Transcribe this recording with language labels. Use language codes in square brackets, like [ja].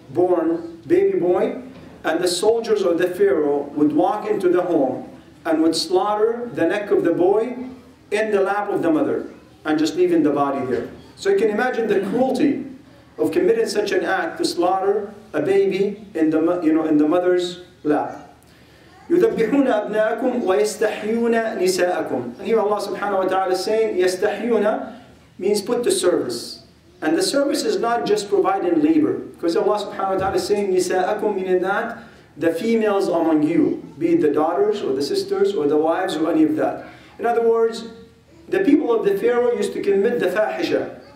[en] born baby boy, and the soldiers of the Pharaoh would walk into the home and would slaughter the neck of the boy in the lap of the mother and just leaving the body there. So you can imagine the cruelty of committing such an act to slaughter a baby in the, you know, in the mother's lap. [ar] يذبحون أبناءكم ويستحيون نساءكم. [en] And here Allah subhanahu wa ta'ala is saying, يستحيون means put to service. And the service is not just providing labor. Because Allah subhanahu wa ta'ala is saying, نساءكم, meaning that the females among you, be it the daughters or the sisters or the wives or any of that. In other words, the people of the Pharaoh used to commit the fahisha.